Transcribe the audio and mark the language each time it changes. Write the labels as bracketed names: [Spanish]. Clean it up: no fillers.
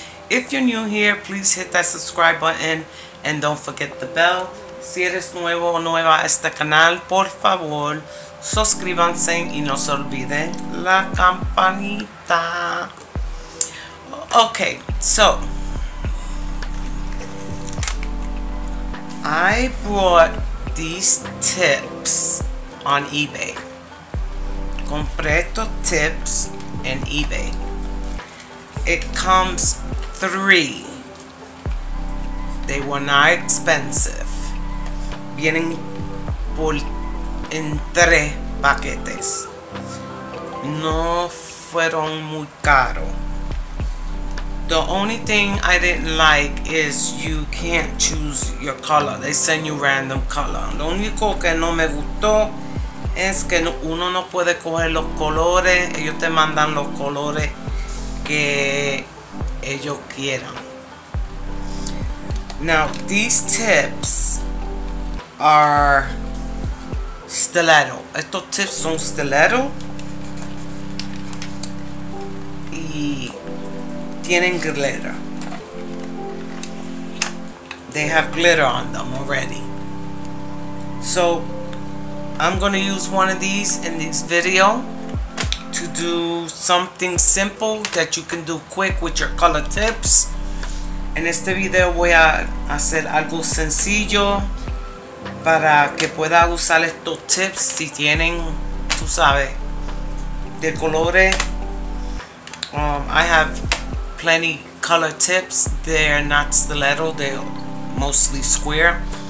[English] If you're new here, please hit that subscribe button and don't forget the bell. [Spanish] Si eres nuevo o nueva a este canal, por favor, suscríbanse y no se olviden la campanita. [English] Okay, so I bought these tips on eBay. [Spanish] Compré estos tips en eBay. [English] It comes three. They were not expensive. [Spanish] Vienen por en tres paquetes. No fueron muy caros. [English] The only thing I didn't like is you can't choose your color. They send you random color. [Spanish] Lo único que no me gustó es que uno no puede coger los colores. Ellos te mandan los colores que ellos quieran. [English] Now, these tips are stiletto. [Spanish] Estos tips son stiletto. Y tienen glitter. [English] They have glitter on them already. So I'm gonna use one of these in this video to do something simple that you can do quick with your color tips. [Spanish] En este video voy a hacer algo sencillo para que pueda usar estos tips si tienen, tú sabes, de colores. [English] I have plenty color tips. They're not stiletto, they're mostly square.